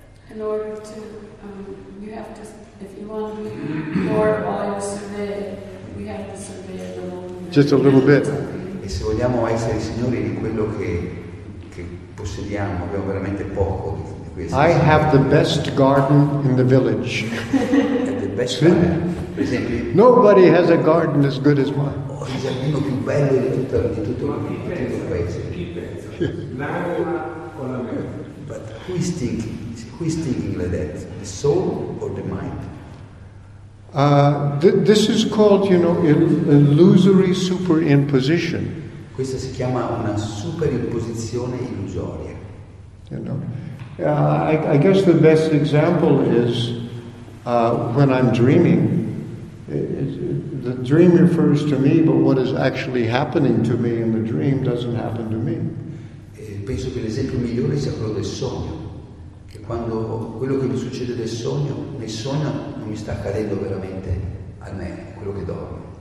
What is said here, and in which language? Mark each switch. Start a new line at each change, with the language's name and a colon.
English: In order to, you have to, if you want to be more of all you survey, we have to survey a little. Just a little bit.
Italian: E se vogliamo essere signori di quello che possediamo, abbiamo veramente poco di questo.
English: I have the best garden in the village. The best garden.
Italian: Per esempio,
English: nobody has a garden as good as mine.
Italian: Ho il giardino più bello di tutto ma chi pensa? Tutto il paese. Chi pensa? L'anima o la mente?
English: But who is thinking like that? The soul or the mind? This is called, you know, illusory superimposition.
Italian: Questa si chiama una superimposizione illusoria.
English: You know, I guess the best example is when I'm dreaming. The dream refers to me, but what is actually happening to me in the dream doesn't happen to me.
Italian: Penso che l'esempio migliore sia quello del sogno. Quando quello che mi succede nel sogno non mi sta accadendo veramente a me, quello che dormo.